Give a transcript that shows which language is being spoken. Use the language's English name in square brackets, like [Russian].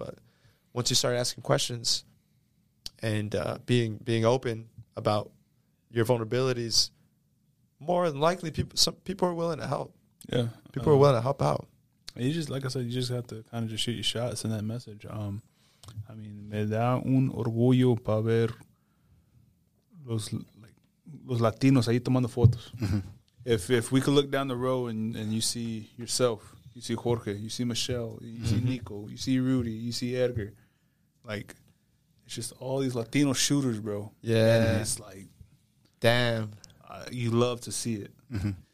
[English] But once you start asking questions and being open about your vulnerabilities, more than likely people are willing to help. Yeah. People are willing to help out. You just, like I said, you just have to kind of just shoot your shot, send that message. I mean, [Spanish] me da un orgullo para ver los Latinos ahí tomando fotos. [English] If we could look down the row and you see yourself, you see Jorge, you see Michelle, you mm-hmm. see Nico, you see Rudy, you see Edgar, like, it's just all these Latino shooters, bro. Yeah. And it's like, damn. You love to see it. Mm-hmm.